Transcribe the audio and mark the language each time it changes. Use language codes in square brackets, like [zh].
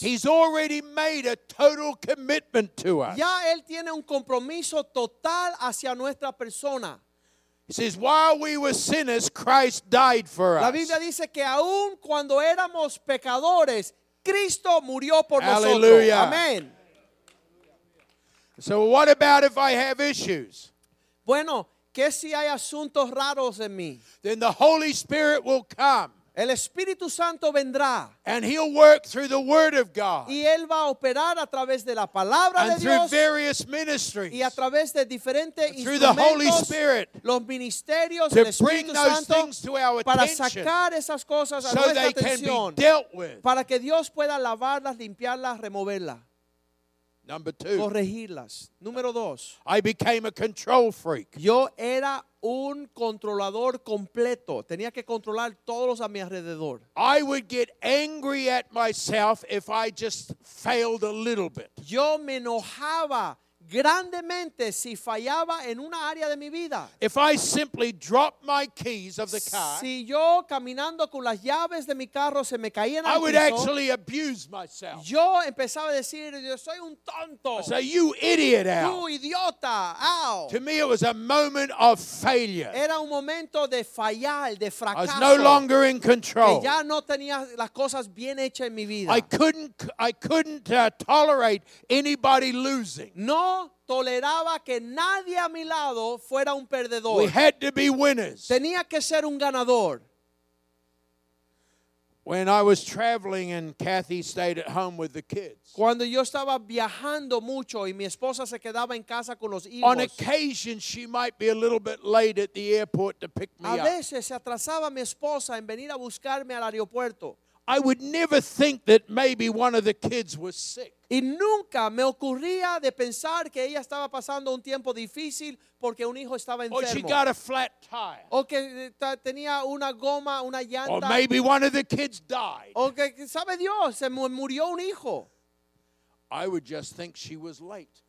[en] He's already made a total commitment to us. [es] Ya él tiene un compromiso total hacia nuestra persona. [en] He says, while we were sinners, Christ died for us. [es] La Biblia dice que aun cuando éramos pecadores, Cristo murió por [en] Hallelujah. [es] Nosotros. [en] Amen. So what about if I have issues? [es] Bueno, ¿qué si hay asuntos raros en mí? [en] Then the Holy Spirit will come. [es] El Espíritu Santo vendrá. [en] And he'll work through the Word of God. [es] Y él va a operar a través de la palabra de Dios. [en] And through various ministries. [es] Y a través de diferentes instrumentos. [en] Through the Holy Spirit. [es] Los ministerios del Espíritu Santo. [en] To bring those things to our attention. [es] Para sacar esas cosas a [en] so [es] nuestra atención. [en] So they can be dealt with. [es] Para que Dios pueda lavarlas, limpiarlas, removerlas. [en] Number two. [es] Corregirlas. Número dos. [en] I became a control freak. [es] Yo era un controlador completo. Tenía que controlar todos a mi alrededor. [en] I would get angry at myself if I just failed a little bit. [es] Yo me enojaba grandemente si fallaba en una área de mi vida. [en] If I simply dropped my keys of the car, [es] si yo caminando con las llaves de mi carro se me caían al piso, [en] I would actually abuse myself. [es] Yo empezaba a decir, yo soy un tonto. [en] I say, you idiot, Al. [es] Tú idiota, Al. [en] To me, it was a moment of failure. [es] Era un momento de fallar, de fracaso. [en] I was no longer in control. [es] Ya no tenía las cosas bien hechas en mi vida. [en] I couldn't tolerate anybody losing. [es] No toleraba que nadie a mi lado fuera un perdedor. [en] We had to be winners. [es] Tenía que ser un ganador. [en] When I was traveling and Kathy stayed at home with the kids. [es] Cuando yo estaba viajando mucho y mi esposa se quedaba en casa con los hijos. [en] On occasion she might be a little bit late at the airport to pick me up. [es] A veces se atrasaba mi esposa en venir a buscarme al aeropuerto. [en] I would never think that maybe one of the kids was sick. [es] Y nunca me ocurría de pensar que ella estaba pasando un tiempo difícil porque un hijo estaba enfermo. [en] Or she got a flat tire. [es] O que tenía una goma, una llanta. [en] Or maybe one of the kids died. [es] O que sabe Dios, se murió un hijo. [en] I would just think she was late.